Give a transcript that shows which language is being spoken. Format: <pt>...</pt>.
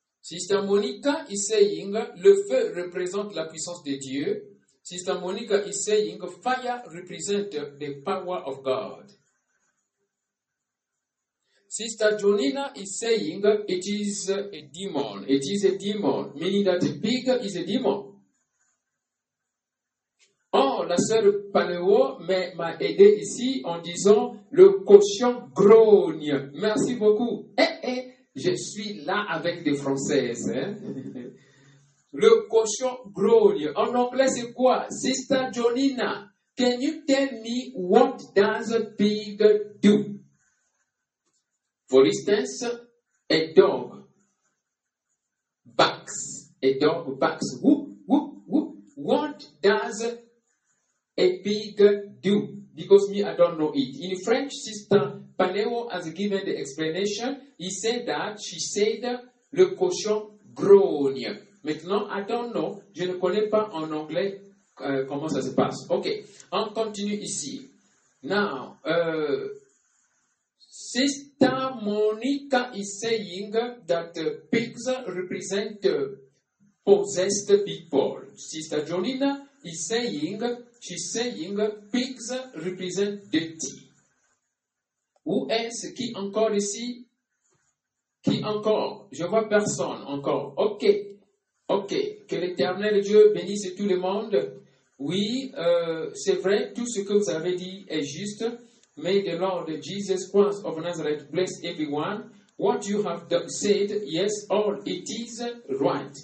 <en>Sister Monica is saying,</en> <fr>le feu représente la puissance de Dieu.</fr> <en>Sister Monica is saying, fire represents the power of God. Sister Jonina is saying, it is a demon. It is a demon, meaning that a pig is a demon.</en> <fr>Oh, la sœur Paneo m'a aidé ici en disant, le cochon grogne. Merci beaucoup. Je suis là avec des Françaises. Hein? Le cochon grogne. En anglais, c'est quoi?</fr> <en>Sister Jonina, can you tell me what does a pig do? For instance, a dog barks. A dog barks. Whoop, whoop, whoop. What does a pig do? Because me, I don't know it. In French, Sister Paneo has given the explanation. He said that, she said,</en> <fr>le cochon grogne. Maintenant,</fr> <en>I don't know.</en> <fr>Je ne connais pas en anglais comment ça se passe. OK. On continue ici.</fr> <en>Now, Sister Monica is saying that pigs represent possessed people. Sister Jolina is saying, she's saying pigs represent dirty.</en> <fr>Où est-ce? Qui encore ici? Qui encore? Je vois personne encore. OK. OK. Que l'Éternel Dieu bénisse tout le monde. Oui, c'est vrai, tout ce que vous avez dit est juste.</fr> <en>May the Lord Jesus Christ of Nazareth bless everyone. What you have said, yes, all it is right.</en>